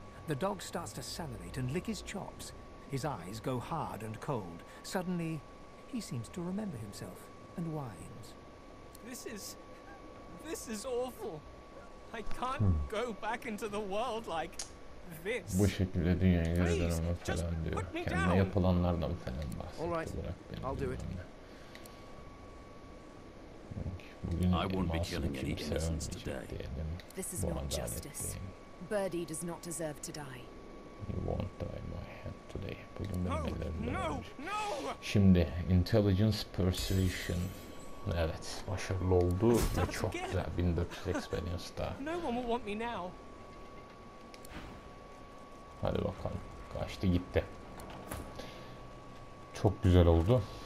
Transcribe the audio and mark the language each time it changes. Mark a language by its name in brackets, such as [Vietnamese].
[English] The dog starts to salivate and lick his chops. His eyes go hard and cold. Suddenly, he seems to remember himself and whines. This is awful. I can't go back into the world like this. [Turkish] Bu şekilde dünyaya geri dönme falan diyor. Kendine yapılanlardan falan bahsetti. [English] All right, I'll do it. [Turkish] Bugün [English] I won't be killing any innocents today. This is not justice. Birdie does not deserve to die. You won't die my hand today. [Turkish] Bugün [English] no, no, no. [Turkish] Şimdi intelligence persuasion. Evet, başarılı oldu ve çok güzel. 1400 experience daha. [English] No one will want me now. [Turkish] Hadi bakalım. Kaçtı gitti. Çok güzel oldu.